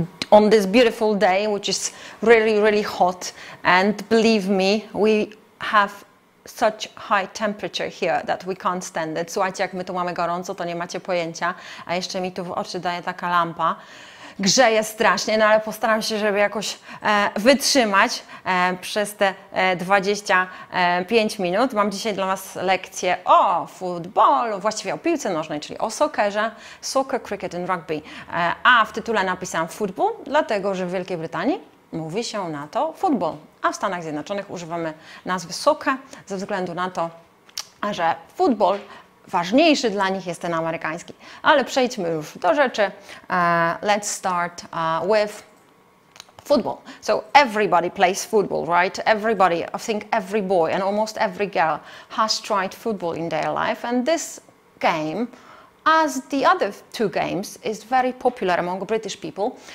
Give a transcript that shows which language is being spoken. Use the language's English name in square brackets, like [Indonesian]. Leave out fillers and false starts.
[English] On this beautiful day, which is really, really hot, and believe me, we have such high temperature here that we can't stand it. [Polish] Słuchajcie, jak my tu mamy gorąco, to nie macie pojęcia, a jeszcze mi tu w oczy daje taka lampa. Grzeje strasznie, no ale postaram się, żeby jakoś wytrzymać przez te 25 minut. Mam dzisiaj dla Was lekcję o futbolu, właściwie o piłce nożnej, czyli o soccerze, soccer, cricket and rugby. A w tytule napisałam futbol, dlatego że w Wielkiej Brytanii mówi się na to futbol, a w Stanach Zjednoczonych używamy nazwy soccer ze względu na to, że futbol ważniejszy dla nich jest ten amerykański. Ale przejdźmy już do rzeczy. [English] Let's start with football. So everybody plays football, right? Everybody, I think every boy and almost every girl has tried football in their life. And this game, as the other two games, is very popular among British people.